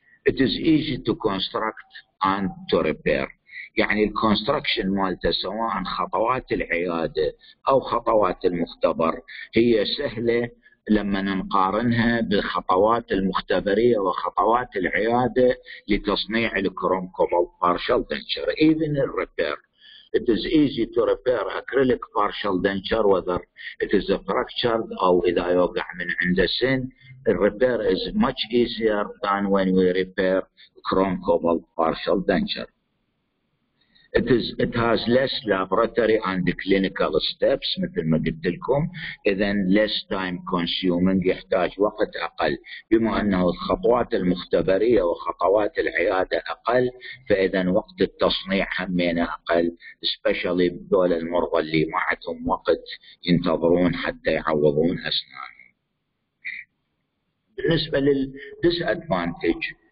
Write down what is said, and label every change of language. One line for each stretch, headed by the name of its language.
English: It is easy to construct and to repair.
Arabic: يعني الكونستراكشن مالته سواء خطوات العياده او خطوات المختبر هي سهله لما نقارنها بخطوات المختبرية وخطوات العيادة لتصنيع الكروم كوبالت partial denture.
English: Even in repair, it is easy to repair acrylic partial denture whether it is a fractured
Arabic: أو إذا يوقع من عند سن.
English: Repair is much easier than when we repair chrome cobalt partial denture. It has less laboratory and clinical steps
Arabic: مثل ما قلت لكم، إذن
English: less time consuming
Arabic: يحتاج وقت أقل، بما أنه الخطوات المختبرية وخطوات العيادة أقل فإذن وقت التصنيع همين أقل، especially دول المرضى اللي ما عندهم وقت ينتظرون حتى يعوضون أسنانهم. بالنسبة للdisadvantage